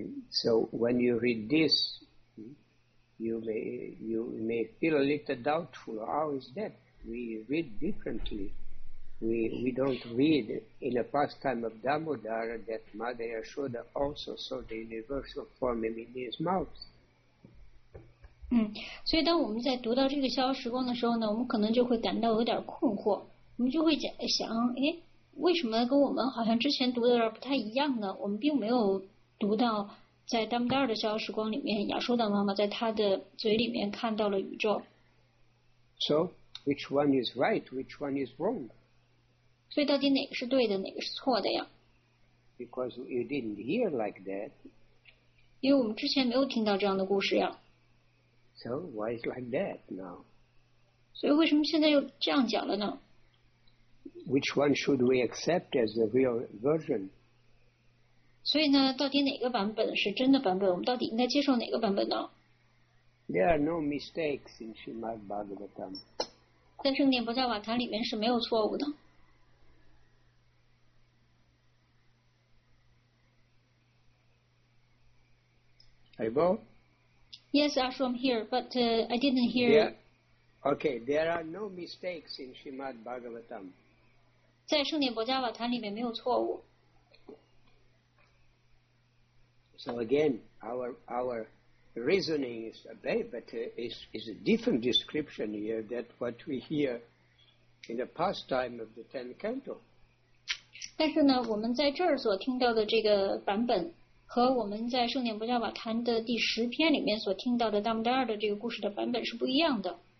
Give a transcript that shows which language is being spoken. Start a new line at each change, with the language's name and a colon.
English: So when you read this, you may feel a little doubtful. How is that? We read differently. We don't read in a pastime of Damodara that Mother Yashoda also saw the universal form in his mouth.
Chinese: 所以当我们在读到这个逍遥时光的时候呢，我们可能就会感到有点困惑，我们就会想，为什么跟我们好像之前读的不太一样呢？我们并没有读到在达摩达尔的逍遥时光里面，亚舒达妈妈在他的嘴里面看到了宇宙。
English: So, which one is right? Which one is wrong?
Chinese: 所以到底哪个是对的，哪个是错的呀？
English: Because you didn't hear like that.
Chinese: 因为我们之前没有听到这样的故事呀。
English: So why is like that now?
Chinese: 所以为什么现在又这样讲了呢？
English: Which one should we accept as the real version?
Chinese: 所以呢，到底哪个版本是真的版本？我们到底应该接受哪个版本呢？
English: There are no mistakes in Srimad Bhagavatam.
Chinese: 在圣典菩萨瓦坛里面是没有错误的。
English: Hello? Yes, Ashu, I'm here, but I didn't hear. Okay, there are no mistakes in Srimad Bhagavatam.
Chinese: 在圣典菩萨瓦坛里面没有错误。
English: So again, our reasoning is a bit, but is a different description here than what we hear in the pastime of the tenth canto.
Chinese: 但是呢，我们在这儿所听到的这个版本和我们在圣典菩萨瓦坛的第十篇里面所听到的达摩达尔的这个故事的版本是不一样的。